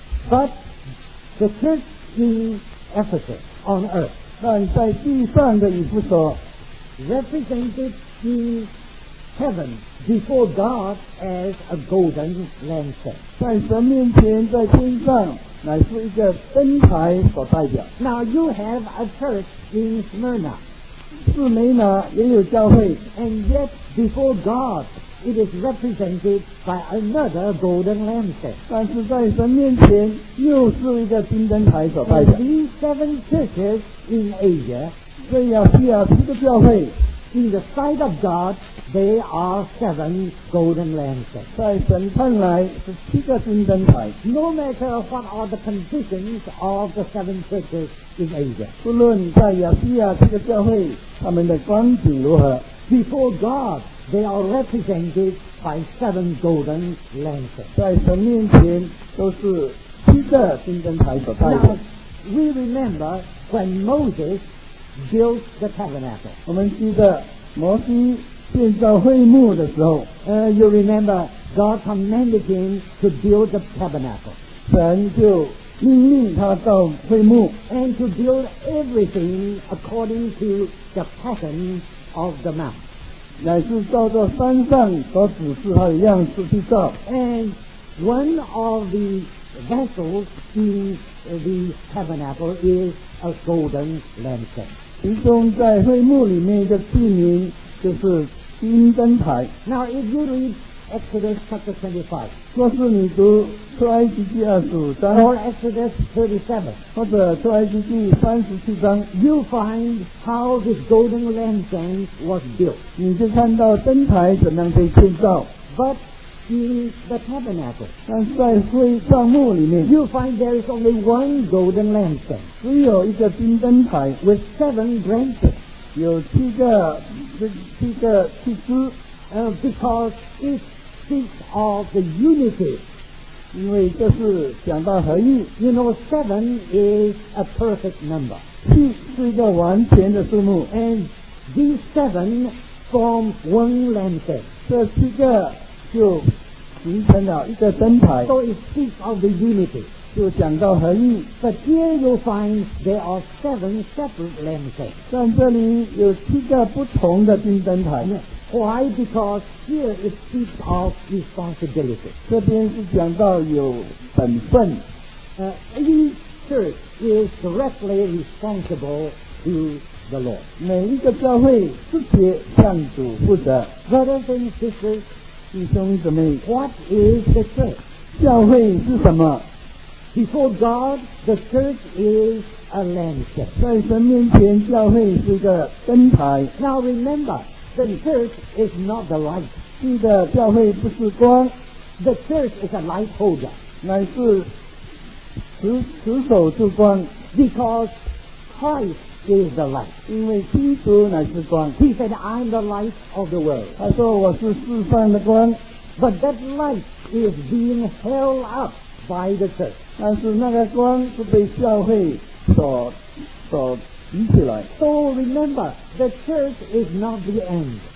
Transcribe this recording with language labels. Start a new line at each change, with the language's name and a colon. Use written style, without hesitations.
English: But the church in Ephesus on earth,
Chinese: 但在地上的以弗所
English: represented in heaven before God as a golden lantern.
Chinese: 在神面前在天上乃是一个灯台所代表。
English: Now you have a church in Smyrna.
Chinese: 士美拿也有教会。
English: And yet before God it is represented by another golden lantern.
Chinese: 但是在神面前又是一个金灯台所代表。
English: And these seven churches in Asia,
Chinese: 在亚细亚七个教会
English: In the sight of God, they are seven golden lanterns.
Chinese: 在神看来是七个金灯台。
English: No matter what are the conditions of the seven churches in Asia.
Chinese: 不论在亚细亚七个教会他们的光景如何。
English: Before God, they are represented by seven golden lanterns.
Chinese: 在神面前都是七个金灯台所代表。
English: Now, we remember when Moses built the tabernacle.
Chinese: 我们记得摩西建造会幕的时候
English: you remember God commanded him to build the tabernacle.
Chinese: 神就命令他造会幕
English: and to build everything according to the pattern of the mount.
Chinese: 乃是照着山上所指示他的样式去造
English: and one of the vessels in the tabernacle is a golden lantern.
Chinese: 其中在会幕里面的器皿就是金灯台。
English: Now, if you read Exodus chapter 25,
Chinese: 若是你读出埃及记二十五章
English: or Exodus 37,
Chinese: 或者出埃及记三十七章
English: you find how this golden lantern was built.
Chinese: 你就看到灯台怎样被建造。
English: But in the tabernacle,
Chinese: 但在会帐幕里面
English: you find there is only one golden lantern.
Chinese: 只有一个金灯台
English: with seven branches.
Chinese: 有七枝
English: because it speaks of the unity.
Chinese: 因为这是讲到合一。
English: You know, seven is a perfect number.
Chinese: 七是一个完全的数目。
English: And these seven form one lantern.
Chinese: 这七个就形成了一个灯台。
English: So it speaks of the unity.
Chinese: 就讲到合一。
English: But here you find there are seven separate lanterns.
Chinese: 但这里有七个不同的金灯台。
English: Why? Because here it speaks of responsibility.
Chinese: 这边是讲到有本分。
English: Each church is directly responsible to the Lord.
Chinese: 每一个教会直接向主负责。
English: Brothers and sisters,
Chinese: 弟兄姊妹
English: What is the church?
Chinese: 教会是什么
English: Before God, the church is a lantern.
Chinese: 在神面前教会是个灯台
English: Now remember, the church is not the light.
Chinese: 记得教会不是光
English: The church is a light holder.
Chinese: 乃是持守之光
English: Because Christ is the light.
Chinese: 因为基督乃是光。
English: He said, I'm the light of the world.
Chinese: 他说我是世上的光。
English: But that light is being held up by the church.
Chinese: 但是那个光是被教会所提起来。
English: So remember, the church is not the end.